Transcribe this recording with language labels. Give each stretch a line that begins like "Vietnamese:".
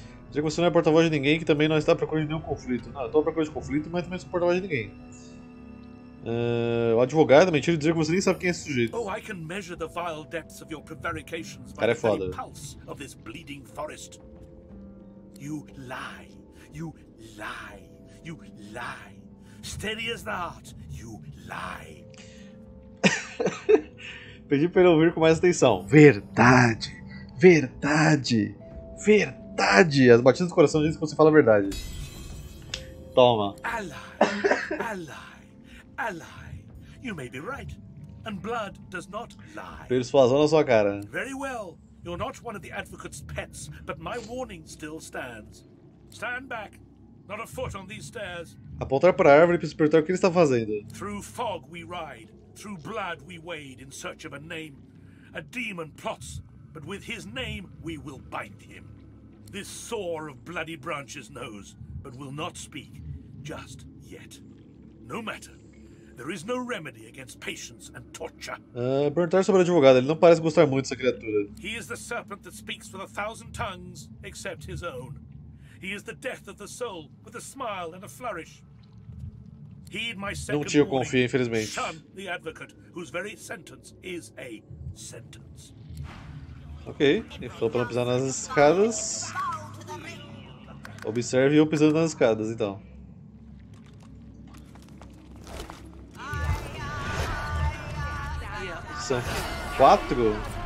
Portuguese: Já que você não é porta-voz de ninguém, que também não está procurando nenhum conflito. Não, eu estou procurando conflito, mas também não sou porta-voz de ninguém. O advogado mentiu dizer que você nem sabe quem é esse sujeito.
English: Oh, I can measure the vile depths of your prevarications by the pulse of this bleeding forest. You lie, you lie, you lie. Steady as the heart, you lie.
Portuguese: Pedi para ele ouvir com mais atenção. Verdade, verdade, verdade. As batidas do coração dizem que você fala a verdade. Toma.
English: A lie. You may be right. And blood does not lie.
Portuguese: Persuasão na sua cara.
English: Very well. You're not one of the advocate's pets, but my warning still stands. Stand back. Not a foot on these stairs.
Portuguese: Apontar para a árvore para despertar o que ele está fazendo.
English: Through fog we ride. Through blood we wade in search of a name. A demon plots, but with his name we will bind him. This sore of bloody branches knows, but will not speak just yet. No matter. There is no remedy against patience and torture.
Portuguese: Perguntar sobre o advogado, ele não parece gostar muito dessa criatura.
English: He is the serpent that speaks with a thousand tongues, except his own. He is the death of the soul, with a smile and a flourish. Heed my second
Portuguese: warning. Não tinha confiança, infelizmente.
English: Shun the advocate, whose very sentence is a sentence.
Portuguese: Ok, ele falou pra não pisar nas escadas. Observe eu pisando nas escadas, então. São quatro?